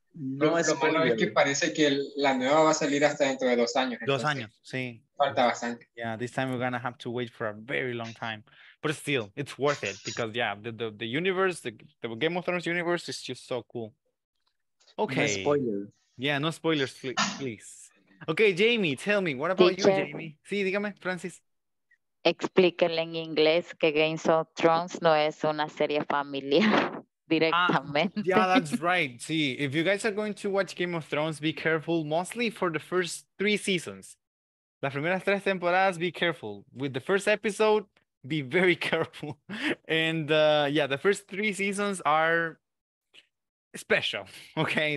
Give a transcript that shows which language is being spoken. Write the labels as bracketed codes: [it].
[es] No, lo malo es que parece que la nueva va a salir hasta dentro de 2 años. Entonces, 2 años, sí. Falta bastante. [en] Yeah, this time we're gonna have to wait for a very long time, but still, it's worth it because yeah, the universe, the Game of Thrones universe is just so cool. Okay. No spoilers. Yeah, no spoilers, please. Okay, Jamie, tell me, what about you, Jamie? [es] Sí, dígame, [en] Francis. [es] Explíquenle en inglés que Game of Thrones no es una serie familiar directamente. [en] Yeah, that's right. See, if you guys are going to watch Game of Thrones, be careful, mostly for the first 3 seasons. [es] Las primeras 3 temporadas, [en] be careful. With the first episode, be very careful. And yeah, the first 3 seasons are special, okay?